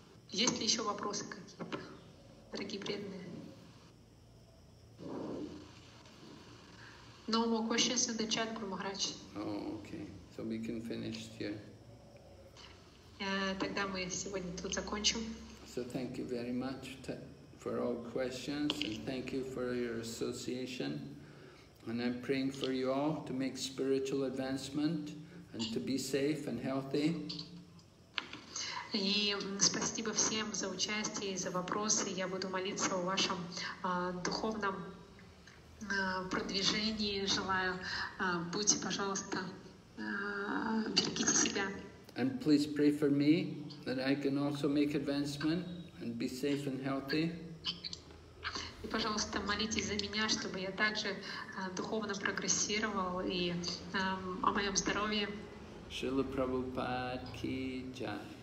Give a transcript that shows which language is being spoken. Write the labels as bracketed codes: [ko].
[ru] Есть ли еще вопросы какие-то, дорогие преданные? [en] No more questions in the chat, Guru Maharaj. Oh, okay. So we can finish here. [ru] Тогда мы сегодня тут закончим. [en] So thank you very much for all questions, and thank you for your association. And I'm praying for you all to make spiritual advancement and to be safe and healthy. [ru] И спасибо всем за участие и за вопросы. Я буду молиться о вашем духовном продвижении. Желаю, будьте, пожалуйста, берегите себя. [en] And please pray for me that I can also make advancement and be safe and healthy. [ru] И, пожалуйста, молитесь за меня, чтобы я также духовно прогрессировал и о моем здоровье. Шрила Прабхупада ки джай.